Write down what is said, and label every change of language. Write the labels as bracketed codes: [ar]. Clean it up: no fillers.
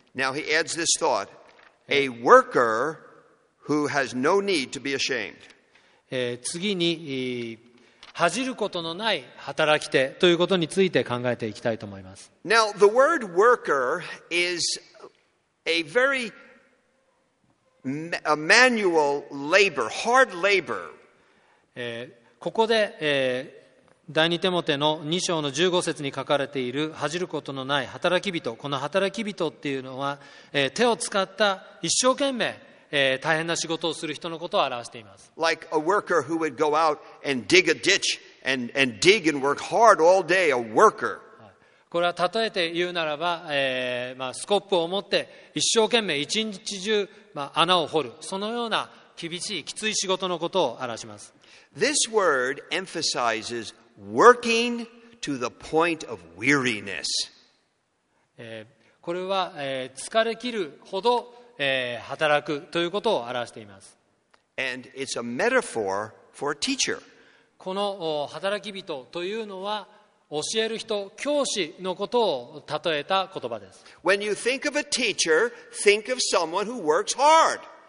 [en] Now he adds this thought: a worker who has no need to be ashamed. [ja] 次に、恥じることのない働き手ということについて考えていきたいと思います。 [en] Now the word worker is a veryA manual labor, hard labor. [ja] ここで、第二テモテの2章の15節に書かれている恥じることのない働き人、この働き人っていうのは、手を使った一生懸命、大変な仕事をする人のことを表しています。 [en] Like a worker who would go out and dig a ditch and dig and work hard all day, a worker. [ja] これは例えて言うならば、スコップを持って一生懸命一日中、穴を掘る、そのような厳しいきつい仕事のことを表します。 [en] This word emphasizes working to the point of weariness. [ja] これは、疲れ切るほど、働くということを表しています。 [en] And it's a metaphor for a teacher. [ja] この働き人というのは教える人、教師のことを例えた言葉です。 [en] When you think of a teacher, think of someone who works hard.